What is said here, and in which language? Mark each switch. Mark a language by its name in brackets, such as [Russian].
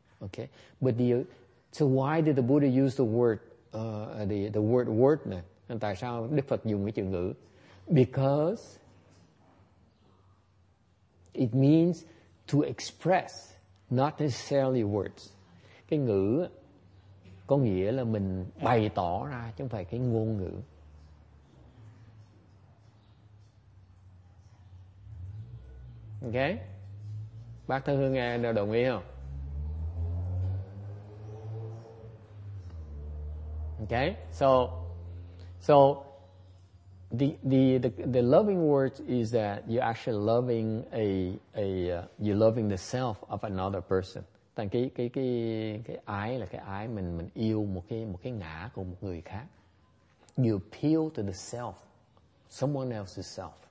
[English] Okay, but so why did the Buddha use the word này? [Vietnamese] And tại sao Đức Phật dùng cái chữ ngữ? [English] Because it means to express, not necessarily words. [Vietnamese] Cái ngữ có nghĩa là mình bày tỏ ra, chứ không phải cái ngôn ngữ. Ok, bác Thư Hương nghe đều đồng ý không? [English] Ok, so the loving words is that you're actually loving you're loving the self of another person. [Vietnamese] Thành cái ái là cái ái mình yêu một cái ngã của một người khác. [English] You appeal to the self, someone else's self.